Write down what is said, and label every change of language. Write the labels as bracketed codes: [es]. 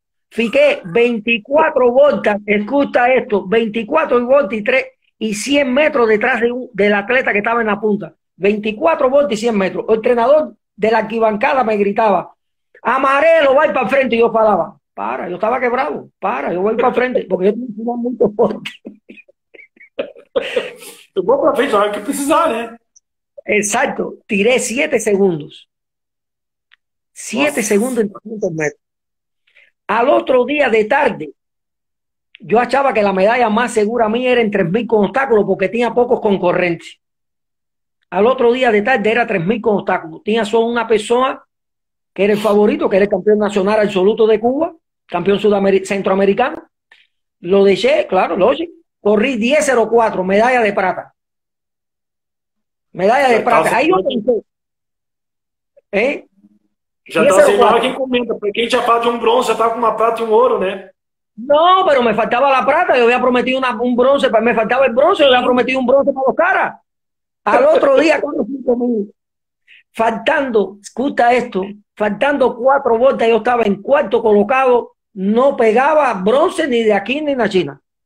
[es] Fiqué 24 vueltas, escucha esto, 24 vueltas y 3 y 100 metros detrás del atleta que estaba en la punta. 24 vueltas y 100 metros. El entrenador de la arquibancada me gritaba. Amarelo, va para frente, y yo paraba. Para, yo estaba quebrado. Para, yo voy para frente, porque yo tengo un muy [pt] Tu bom proveito, hora que precisar, né? [es] Exacto, tiré 7 segundos. 7 [pt] Nossa. [es] segundos en 200 metros. Al otro día de tarde, yo achaba que la medalla más segura a mí era en 3.000 con obstáculos, porque tenía pocos concurrentes. Al otro día de tarde era 3.000 con obstáculos. Tenía solo una persona que era el favorito, que era el campeón nacional absoluto de Cuba, campeón centroamericano. Lo dejé, claro, lo oye. Corrí 10-04, medalla de plata. Medalla de plata. Ahí yo pensé. ¿Eh? [pt] Já tá aceitando [es] 10-04. [pt] aqui. Já tá aceitando aqui encomenda. Pra quem tinha falado de um bronze, já tá com uma prata e um ouro, né? [es] No, pero me faltaba la plata. Yo había prometido un bronce. Me faltaba el bronce. Yo había prometido un bronce para los caras. Al otro día, cuando fui conmigo, faltando, escucha esto. Faltando 4 vueltas, yo estaba en cuarto colocado, no pegaba bronce ni de aquí ni de la China.